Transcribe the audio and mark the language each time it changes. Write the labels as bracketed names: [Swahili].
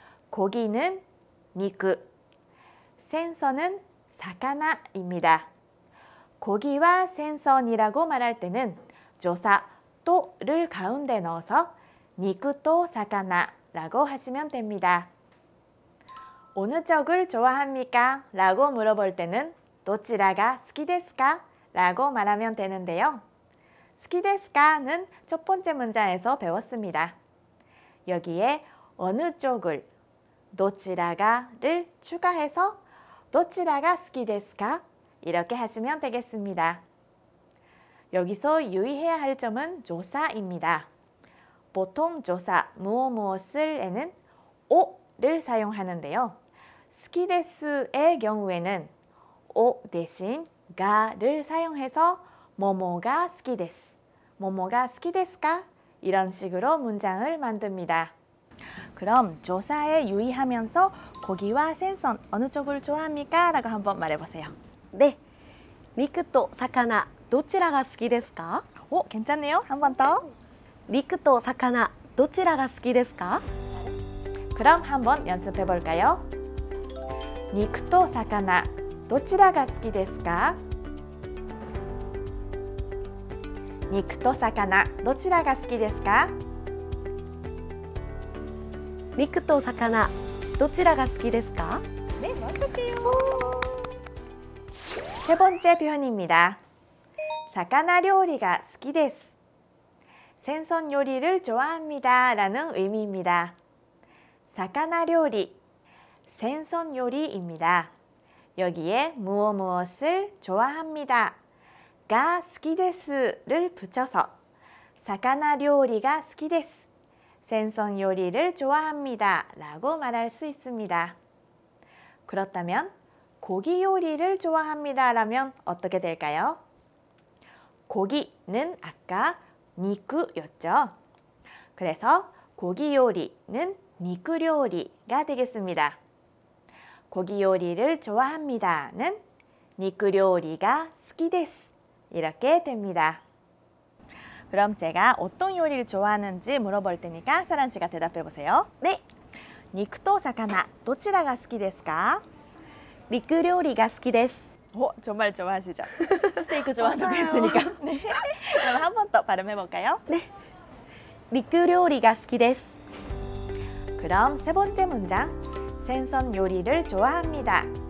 [Korean] 고기는肉、생선은魚입니다。 고기와생선이라고말할때는、조사、と、를가운데넣어서、 [Japanese] 肉と魚 [Korean] 라고하시면됩니다。 어느쪽을좋아합니까? 라고물어볼때는 [Japanese] どちらが好きですか? [Korean] 라고말하면되는데요. [Japanese] 好きですか? [Korean] 는첫번째문장에서배웠습니다. 여기에어느쪽을, [Japanese] どちらが [Korean] 를추가해서 [Japanese] どちらが好きですか? [Korean] 이렇게하시면되겠습니다. 여기서유의해야할점은조사입니다. 보통조사무엇무엇을에는오를사용하는데요. [Japanese] 好きです [Korean] 의경우에는오대신가를사용해서뭐뭐가好きです뭐뭐가 [Japanese] 好きですか [Korean] 이런식으로문장을만듭니다. 그럼조사에유의하면서고기와생선어느쪽을좋아합니까? 라고한번말해보세요. 네. [Japanese] 肉と魚どちらが好きですか? [Korean] 오,괜찮네요. 한번더. [Japanese] 肉と魚どちらが好きですか? [Korean] 그럼한번연습해볼까요? [Japanese] 肉と魚どちらが好きですか? 肉と魚どちらが好きですか? 肉と魚どちらが好きですか? [Korean] 네,완벽해요. 세번째표현입니다. [Japanese] 魚料理が好きです. [Korean] 생선요리를좋아합니다라는의미입니다. 魚料理、생선요리입니다。 여기에무엇무엇을좋아합니다가 [Japanese] 好きです [Korean] 를붙여서 [Japanese] 魚料理が好きです。 [Korean] 생선요리를좋아합니다라고말할수있습니다。 그렇다면고기요리를좋아합니다라면어떻게될까요? 고기는아까肉였죠? 그래서고기요리는肉料理가되겠습니다. 고기요리를좋아합니다는 [Japanese] 肉料理が好きです [Korean] 이렇게됩니다. 그럼제가어떤요리를좋아하는지물어볼테니까사랑씨가대답해보세요. 네. [Japanese] 肉と魚どちらが好きですか? 肉料理が好きです. [Korean] 오,정말좋아하시죠? 스테이크좋아한다고했으니까. 네. 그럼한번더발음해볼까요? [Japanese] 네.肉料理が好きです. [Korean] 그럼 세 번째 문장. 생선 요리를 좋아합니다.